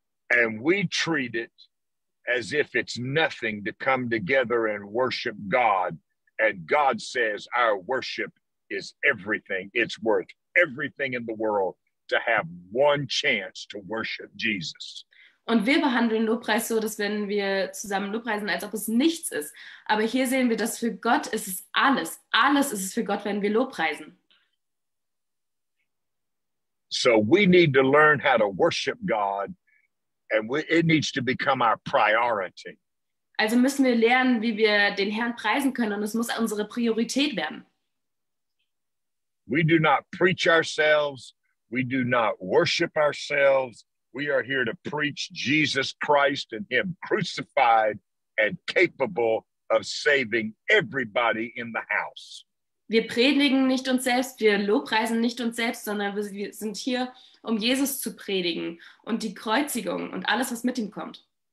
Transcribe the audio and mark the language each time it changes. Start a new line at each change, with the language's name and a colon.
English: And we treat it as if it's nothing to come together and worship God. And God says our worship is everything. It's worth everything in the world to have one chance to worship Jesus.
German: Und wir behandeln Lobpreis so, dass wenn wir zusammen lobpreisen, als ob es nichts ist. Aber hier sehen wir, dass für Gott ist es alles. Alles ist es für Gott, wenn wir lobpreisen.
English: So we need to learn how to worship God. And it needs to become our priority.
German: Also müssen wir lernen, wie wir den Herrn preisen können, und es muss unsere Priorität werden.
English: We do not preach ourselves, we do not worship ourselves. We are here to preach Jesus Christ and him crucified and capable of saving everybody in the house.
German: Wir predigen nicht uns selbst, wir lobpreisen nicht uns selbst, sondern wir sind hier, um Jesus zu predigen und die Kreuzigung und alles, was mit ihm kommt.